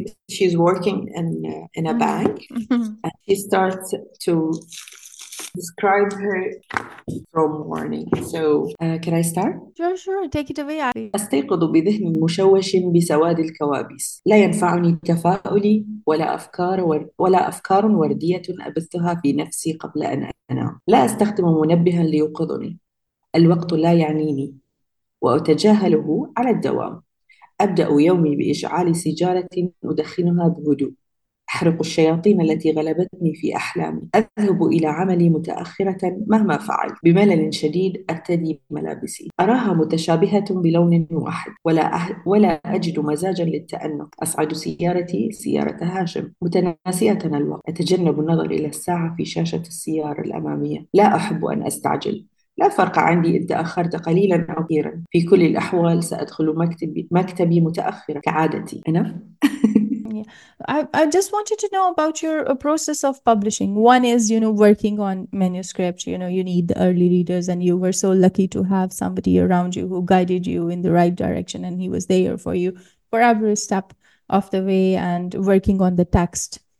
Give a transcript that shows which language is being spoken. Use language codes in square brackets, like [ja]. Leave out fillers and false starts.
[en] She's working in a bank, and she starts to describe her from morning. So can I start? Sure, take it away. [ar] أستيقظ بذهن مشوش بسواد الكوابيس. لا ينفعني تفاؤلي ولا أفكار وردية أبثها في نفسي قبل أن أنام. لا أستخدم منبها ليوقظني. الوقت لا يعنيني وأتجاهله على الدوام. أبدأ يومي بإشعال سيجارة أدخنها بهدوء. أحرق الشياطين التي غلبتني في أحلامي. أذهب إلى عملي متأخرة مهما فعل. بملل شديد أرتدي ملابسي. أراها متشابهة بلون واحد. ولا أجد مزاجا للتأنق. أصعد سيارتي سيارة هاشم. متناسية الوقت. أتجنب النظر إلى الساعة في شاشة السيارة الأمامية. لا أحب أن أستعجل. لا فرق عندي إن تأخرت قليلا أو كثيرا. في كل الأحوال سأدخل مكتبي متأخرا كعادتي. أنا؟ [en] I just wanted to know about your process of publishing. One is, you know, working on manuscript. You know, you need the early readers, and you were so lucky to have somebody around you who guided you in the right direction, and he was there for you for every step of the way, and working on the text.